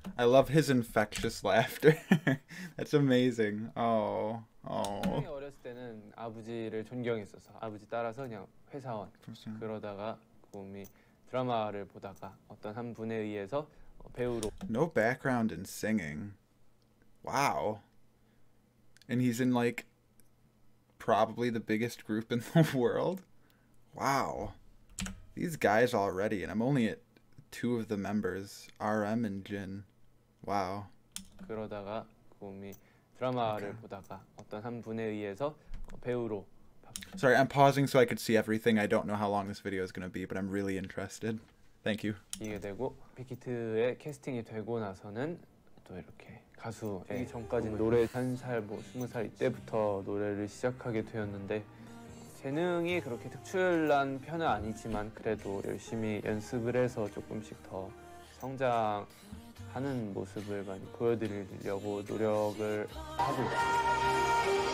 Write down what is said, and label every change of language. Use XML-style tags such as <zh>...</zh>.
<en>I love his infectious laughter. That's amazing. Oh, oh.</en> <ko>굉장히 어렸을 때는 아버지를 존경했어서 아버지 따라서 그냥 회사원 그러다가 봄이 드라마를 보다가 어떤 한 분에 의해서 배우로</ko> <en>No background in singing. Wow. And he's in like probably the biggest group in the world. Wow. These guys already and I'm only at two of the members, RM and Jin. Wow.</en> <ko>그러다가 봄이 드라마를 보다가 어떤 한 분에 의해서 배우로</ko> <en>Sorry, I'm pausing so I could see everything. I don't know how long this video is going to be, but I'm really interested. Thank you.</en> <ko>이게 되고 빅히트의 캐스팅이 되고 나서는 또 이렇게 가수 되기 전까지 노래 한살 뭐 20살 이때부터 노래를 시작하게 되었는데 재능이 그렇게 특출난 편은 아니지만 그래도 열심히 연습을 해서 조금씩 더 성장하는 모습을 많이 보여드리려고 노력을 하고</ko>